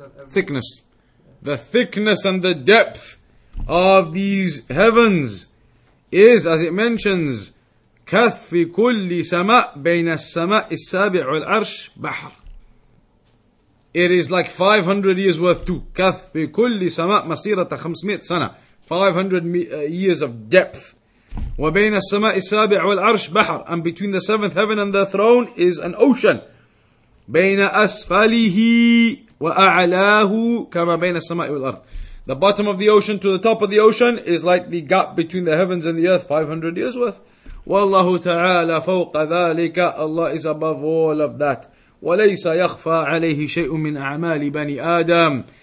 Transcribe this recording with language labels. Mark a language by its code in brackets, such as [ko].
[en] Thickness. The thickness and the depth of these heavens is, as it mentions, [ar] كث في كل سماء بين السماء السابع والعرش بحر. [en] It is like 500 years worth too. [ar] كث في كل سماء مسيرة 500 سنة. [en] 500 years of depth. [ar] وبين السماء السابع والعرش بحر. [en] And between the seventh heaven and the throne is an ocean. [ar] بين أسفله وأعلاه كما بين السماء والأرض. [en] The bottom of the ocean to the top of the ocean is like the gap between the heavens and the earth, 500 years worth. [ar] والله تعالى فوق ذلك. [en] Allah is above all of that. [ar] وليس يخفى عليه شيء من أعمال بني آدم.